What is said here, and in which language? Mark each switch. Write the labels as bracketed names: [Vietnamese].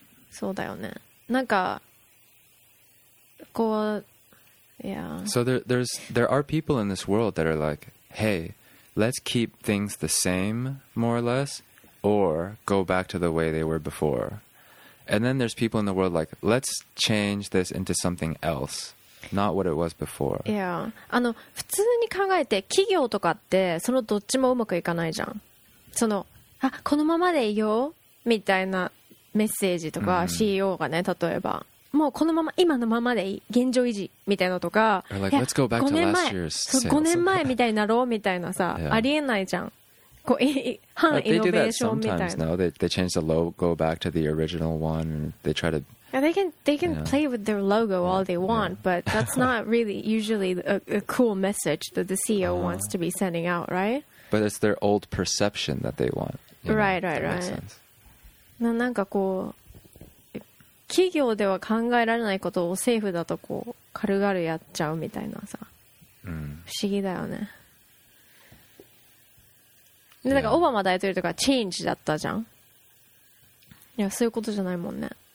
[Japanese] そうだよね。なんかこう、 [English] yeah. So there are people in this world that are like, hey, let's keep things the same, more or less, or go back to the way they were before. And then there's people in the world like, let's change this into something else. Not what it was before. Yeah. [Japanese] あの、普通に考えて企業とかってそのどっちもうまくいかないじゃん。その、あ、このままでいいよみたいなメッセージとか、CEO がね、例えば。もうこのまま、今のままでいい。現状維持みたいなとか。 [English] Like, let's go back to last year's sales. [Japanese] 5年前みたいになろうみたいなさ、ありえないじゃん。こう、反イノベーションみたいな。 [English] They do that sometimes now. They change the logo back to the original one. They try to... They can yeah. play with their logo all they want, yeah. but that's not really usually a cool message that the CEO wants to be sending out, right? But it's their old perception that they want. Right. [Japanese] なんかこう、企業では考えられないことを政府だとこう軽々やっちゃうみたいなさ。不思議だよね。で、なんかオバマ大統領とかチェンジだったじゃん。いや、そういうことじゃないもんね。